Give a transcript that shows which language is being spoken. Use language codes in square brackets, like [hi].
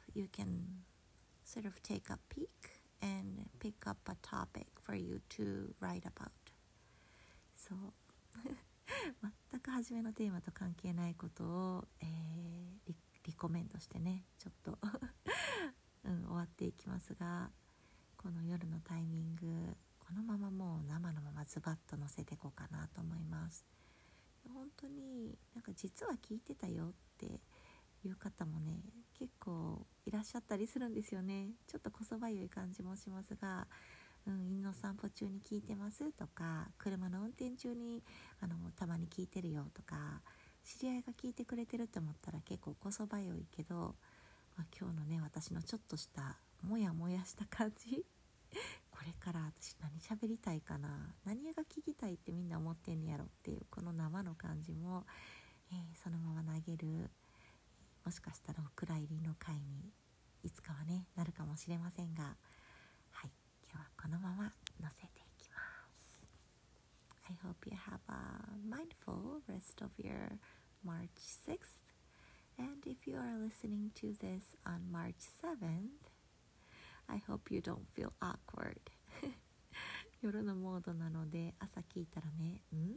[en] You can sort of take a peek and pick up a topic for you to write about. [ja] そう全く初めのテーマと関係ないことを、リコメンドしてね、ちょっと終わっていきますが、この夜のタイミング、このままもう生のままズバッと載せていこうかなと思います。本当になんか実は聞いてたよっていう方もね、結構いらっしゃったりするんですよね。ちょっとこそばゆい感じもしますが、犬の散歩中に聞いてますとか、車の運転中にたまに聞いてるよとか、知り合いが聞いてくれてると思ったら結構こそばよいけど、今日のね、私のちょっとしたもやもやした感じこれから私何喋りたいかな、何が聞きたいってみんな思ってんやろっていう、この生の感じも、そのまま投げる、もしかしたらお蔵入りの回にいつかはねなるかもしれませんが、このまま乗せていきます。 [en] I hope you have a mindful rest of your March 6th. And if you are listening to this on March 7th, I hope you don't feel awkward. [ja] 夜のモードなので、朝聞いたらね、ん？